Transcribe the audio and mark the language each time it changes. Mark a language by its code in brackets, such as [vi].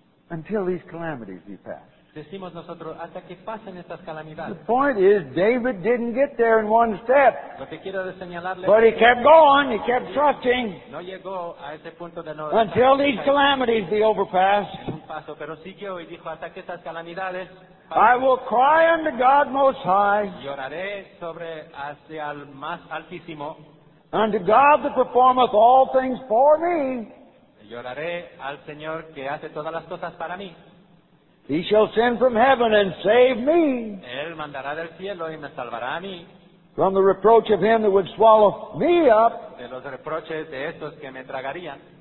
[en] Until these calamities be passed. [es] Decimos nosotros, hasta que pasen estas calamidades. [en] The point is, David didn't get there in one step. [es] Lo que quiero de señalarle, [en] but he kept going, he kept trusting. [es] No llegó a ese punto de no [en] until these calamities be overpassed. [es] Un paso, pero siguió y dijo, hasta que estas calamidades, [en] I will cry unto God Most High. [es] Lloraré sobre hacia el más altísimo. [en] Unto God that performeth all things for me. [es] Lloraré al Señor que hace todas las cosas para mí. [en] He shall send from heaven and save me. [es] Él mandará del cielo y me salvará a mí. [en] From the reproach of him that would swallow me up. [es] De los reproches de estos que me tragarían.